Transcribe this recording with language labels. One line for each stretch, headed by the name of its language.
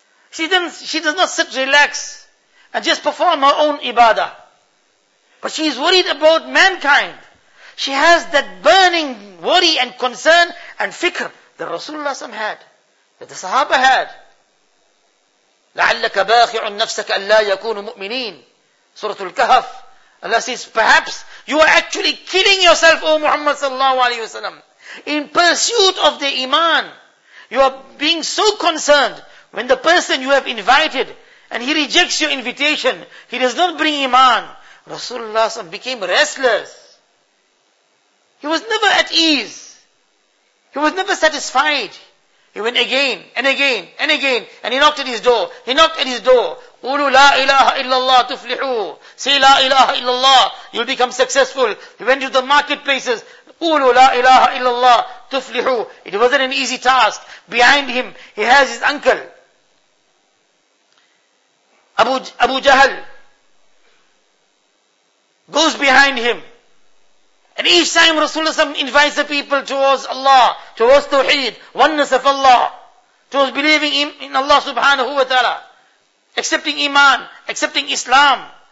English: She does not sit relaxed and just perform her own ibadah. But she is worried about mankind. She has that burning worry and concern and fikr that Rasulullah SAW had, that the Sahaba had.
Arabic: لَعَلَّكَ بَاخِعٌ نَفْسَكَ أَلَّا يَكُونُ مُؤْمِنِينَ Surah Al-Kahf.
English: Allah says, perhaps you are actually killing yourself, O Muhammad sallallahu alayhi wa sallam, in pursuit of the iman. You are being so concerned when the person you have invited and he rejects your invitation, he does not bring iman. Rasulullah became restless. He was never at ease. He was never satisfied. He went again and again and again and he knocked at his door. He knocked at his door.
Arabic: قُلُوا لَا إِلَهَ إِلَّا اللَّهُ تُفْلِحُوا
English: Say
Arabic: لَا إِلَهَ إِلَّا اللَّهُ
English: You'll become successful. He went to the marketplaces.
Arabic: قُلُوا لَا إِلَهَ إِلَّا اللَّهُ تُفْلِحُوا
English: It wasn't an easy task. Behind him, he has his uncle. Abu Jahl goes behind him. And each time Rasulullah invites the people towards Allah, towards Tawheed, oneness of Allah, towards believing in Allah subhanahu wa ta'ala, accepting Iman, accepting Islam.